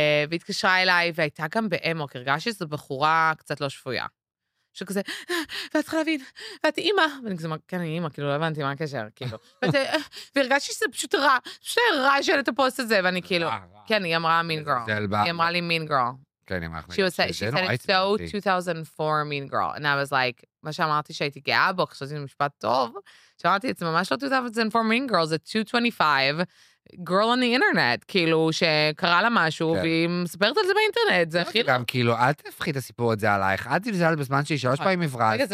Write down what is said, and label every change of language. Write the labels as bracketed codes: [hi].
[he] והתקשרה אליי, והייתה גם באמוק, הרגשתי שזו בחורה קצת לא שפויה. שהוא כזה, ואת צריכה להבין, ואת אימא, ואני כזה, כן, אני אימא, כאילו, לא הבנתי מה הקשר, כאילו. והרגשתי שזה פשוט רע, שזה רע של את הפוסט הזה, ואני כאילו, כן, היא אמרה mean girl. היא אמרה לי mean girl. כן, אמרה לי. [en] She was saying, she said it's so 2004 mean girl. And I was like, [he] מה שאמרתי שהייתי גאה בו, חשבתי משפט טוב, שאמרתי, זה ממש לא 2004 mean girl, זה 225, [en] girl on the internet, [he] כאילו, שקרה לה משהו, והיא מספרת על זה באינטרנט, זה הכי... גם כאילו, אל תפחית הסיפור הזה עלייך, אל תזלזל בזמן שהיא שלוש פעמים הברזתי.